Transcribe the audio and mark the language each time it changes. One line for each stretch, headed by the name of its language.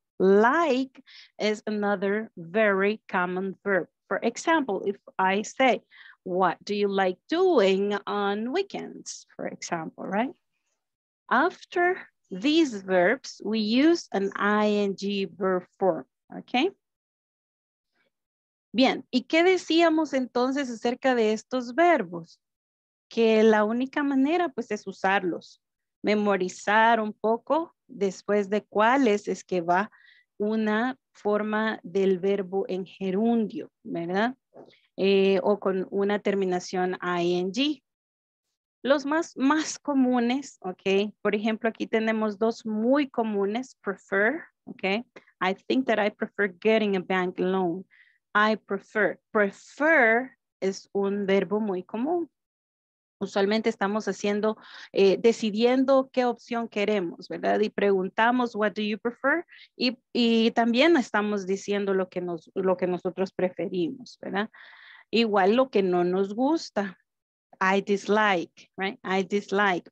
English: Like is another very common verb. For example, if I say, what do you like doing on weekends? For example, right? After these verbs, we use an ing verb form, okay?
Spanish: Bien, ¿y qué decíamos entonces acerca de estos verbos? Que la única manera, pues, es usarlos. Memorizar un poco después de cuáles es que va una forma del verbo en gerundio, ¿verdad? O con una terminación ing. Los más comunes, ¿ok? Por ejemplo, aquí tenemos dos muy comunes, prefer, ¿ok?
English: I think that I prefer getting a bank loan. I prefer.
Spanish: Prefer es un verbo muy común. Usualmente estamos haciendo, decidiendo qué opción queremos, ¿verdad? Y preguntamos,
English: what do you prefer?
Spanish: Y también estamos diciendo lo que nosotros preferimos, ¿verdad? Igual lo que no nos gusta.
English: I dislike, right? I dislike.